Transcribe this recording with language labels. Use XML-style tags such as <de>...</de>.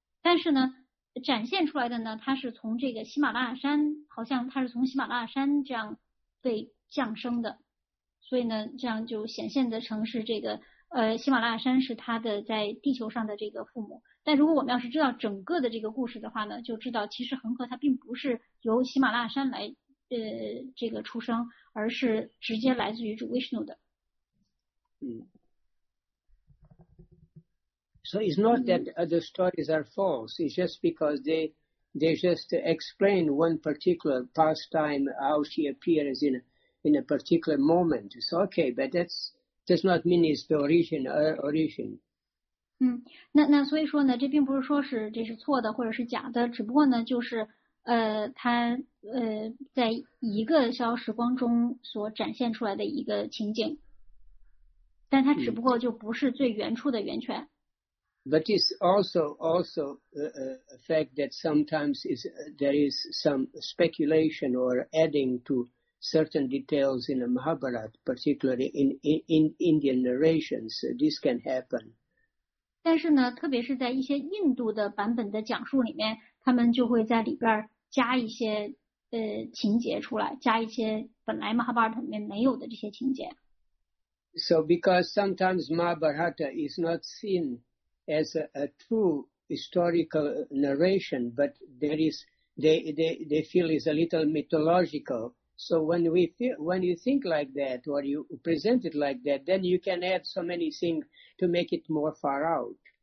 <zh>但是呢，展现出来的呢，它是从这个喜马拉雅山，好像它是从喜马拉雅山这样被降生的，所以呢，这样就显现的成是这个喜马拉雅山是它的在地球上的这个父母。但如果我们要是知道整个的这个故事的话呢，就知道其实恒河它并不是由喜马拉雅山来这个出生，而是直接来自于主 Vishnu 的。</zh> <en>So it's not that other stories are false. It's just because they just explain one particular pastime, how she appears in a particular moment. So okay, but that's does not mean it's the origin. Origin.</en> <zh>那所以说呢，这并不是说是这是错的或者是假的，只不过呢，就是它在一个消时光中所展现出来的一个情景，但它只不过就不是最原初的源泉。</zh> <en>But it's also a fact that sometimes there is some speculation or adding to certain details in the Mahabharata, particularly in Indian narrations. This can happen.</en> <zh>但是呢，特别是在一些印度的版本的讲述里面，他们就会在里边加一些情节出来，加一些本来 Mahabharata 里面没有的这些情节。</zh> <en>So because sometimes Mahabharata is not seen as a true historical narration, but there is they feel is a little mythological. So when you think like that, or you present it like that, then you can add so many things to make it more far out.</en>